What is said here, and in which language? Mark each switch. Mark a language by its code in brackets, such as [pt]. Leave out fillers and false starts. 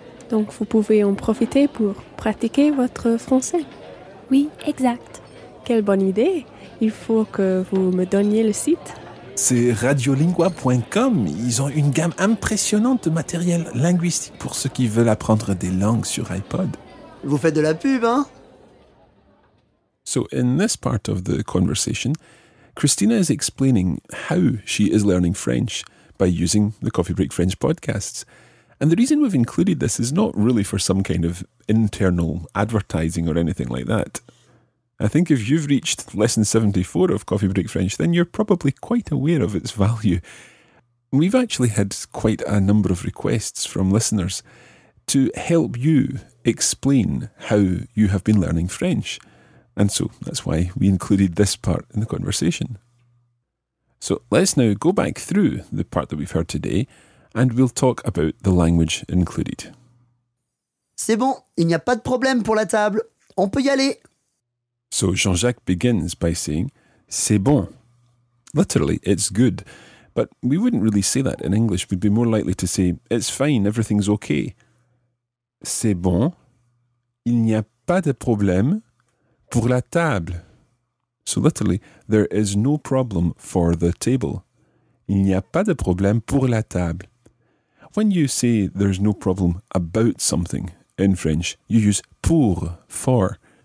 [fr] Donc vous pouvez en profiter pour pratiquer votre français? Oui, exact. Quelle bonne idée. Il faut que vous me donniez le site. C'est radiolingua.com. Ils ont une gamme impressionnante de matériel linguistique pour ceux qui veulent apprendre des langues sur iPod. Vous faites de la pub, hein? [en] So in this part of the conversation, Christina is explaining how she is learning French by using the Coffee Break French podcasts. And the reason we've included this is not really for some kind of internal advertising or anything like that. I think if you've reached lesson 74 of Coffee Break French, then you're probably quite aware of its value. We've actually had quite a number of requests from listeners to help you explain how you have been learning French. And so that's why we included this part in the conversation. So let's now go back through the part that we've heard today, and we'll talk about the language included. [fr] C'est bon, il n'y a pas de problème pour la table. On peut y aller. [en] So Jean-Jacques begins by saying, [fr] c'est bon. [en] Literally, it's good. But we wouldn't really say that in English. We'd be more likely to say, it's fine, everything's okay. [fr] C'est bon, il n'y a pas de problème pour la table. [en] So literally, there is no problem for the table. [fr] Il n'y a pas de problème pour la table. [en] When you say there's no problem about something in French, you use pour, for.